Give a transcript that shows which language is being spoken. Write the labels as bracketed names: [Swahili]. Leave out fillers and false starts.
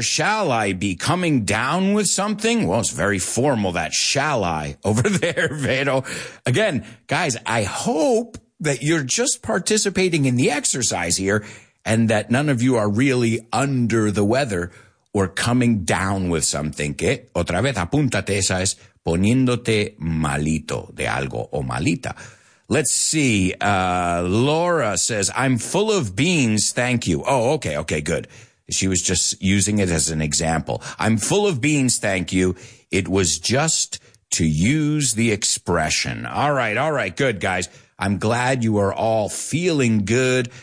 [English] Shall I be coming down with something? Well, it's very formal, that shall I over there, Vero. Again, guys, I hope that you're just participating in the exercise here and that none of you are really under the weather or coming down with something. [Spanish] Que otra vez, apúntate, esa es poniéndote malito de algo o malita. [English] Let's see. Laura says, I'm full of beans, thank you. Oh, okay, okay, good. She was just using it as an example. I'm full of beans, thank you. It was just to use the expression. All right, good, guys. I'm glad you are all feeling good.